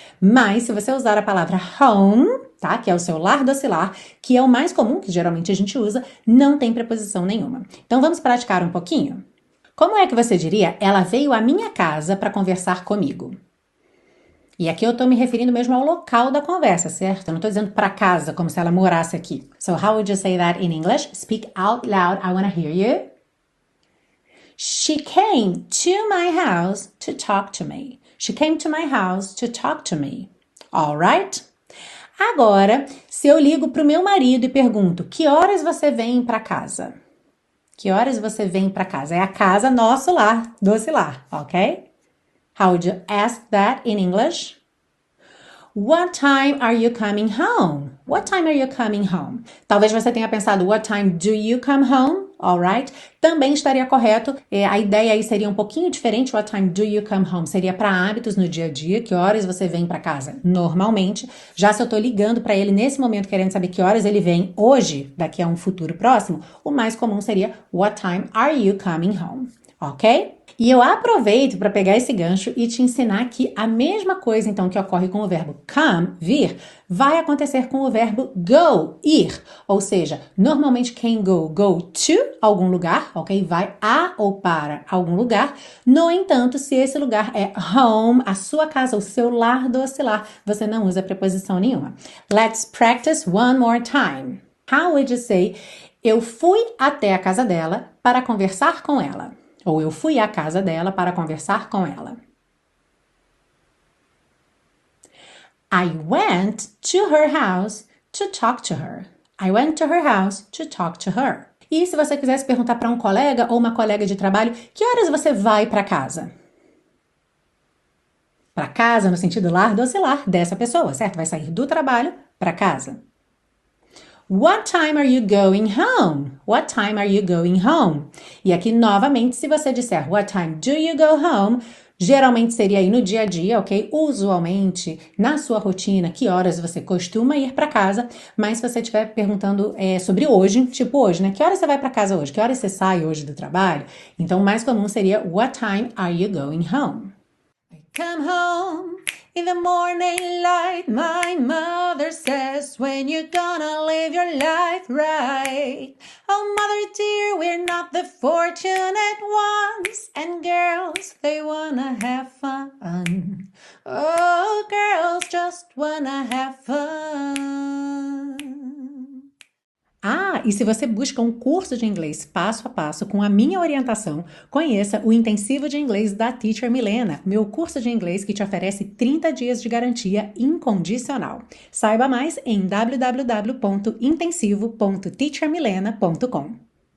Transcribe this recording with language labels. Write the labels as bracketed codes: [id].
[pt] Mas se você usar a palavra home, tá? Que é o seu lar docilar, que é o mais comum, que geralmente a gente usa, não tem preposição nenhuma. Então vamos praticar um pouquinho? Como é que você diria, ela veio à minha casa para conversar comigo? E aqui eu estou me referindo mesmo ao local da conversa, certo? Eu não estou dizendo para casa, como se ela morasse aqui. [en] So, how would you say that in English? Speak out loud, I want to hear you. She came to my house to talk to me. She came to my house to talk to me. All right? [pt] Agora, se eu ligo para o meu marido e pergunto, que horas você vem para casa? Que horas você vem para casa? É a casa, nosso lar, doce lar, ok? [en] How would you ask that in English? What time are you coming home? What time are you coming home? [pt] Talvez você tenha pensado, [en] what time do you come home? All right. [pt] Também estaria correto. A ideia aí seria um pouquinho diferente. [en] What time do you come home? [pt] Seria para hábitos no dia a dia. Que horas você vem para casa? Normalmente. Já se eu estou ligando para ele nesse momento, querendo saber que horas ele vem hoje, daqui a um futuro próximo, o mais comum seria, [en] what time are you coming home? [pt] Ok? E eu aproveito para pegar esse gancho e te ensinar que a mesma coisa, então, que ocorre com o verbo come, vir, vai acontecer com o verbo go, ir. Ou seja, normalmente quem go to algum lugar, ok? Vai a ou para algum lugar. No entanto, se esse lugar é home, a sua casa, o seu lar doce lar, você não usa preposição nenhuma. [en] Let's practice one more time. How would you say, [pt] eu fui até a casa dela para conversar com ela? Ou eu fui à casa dela para conversar com ela. [en] I went to her house to talk to her. I went to her house to talk to her. [pt] E se você quisesse perguntar para um colega ou uma colega de trabalho, que horas você vai para casa? Para casa, no sentido lar, doce lar, dessa pessoa, certo? Vai sair do trabalho para casa. [en] What time are you going home? What time are you going home? [pt] E aqui, novamente, se você disser [en] what time do you go home, [pt] geralmente seria aí no dia a dia, ok? Usualmente, na sua rotina, que horas você costuma ir para casa, mas se você estiver perguntando sobre hoje, tipo hoje, né? Que horas você vai para casa hoje? Que horas você sai hoje do trabalho? Então, o mais comum seria [en] what time are you going home? I come home. In the morning light, my mother says, when you gonna live your life right? Oh, mother dear, we're not the fortunate ones, and girls, they wanna have fun. Oh, girls just wanna have fun. [pt] Ah, e se você busca um curso de inglês passo a passo com a minha orientação, conheça o Intensivo de Inglês da Teacher Milena, meu curso de inglês que te oferece 30 dias de garantia incondicional. Saiba mais em www.intensivo.teachermilena.com.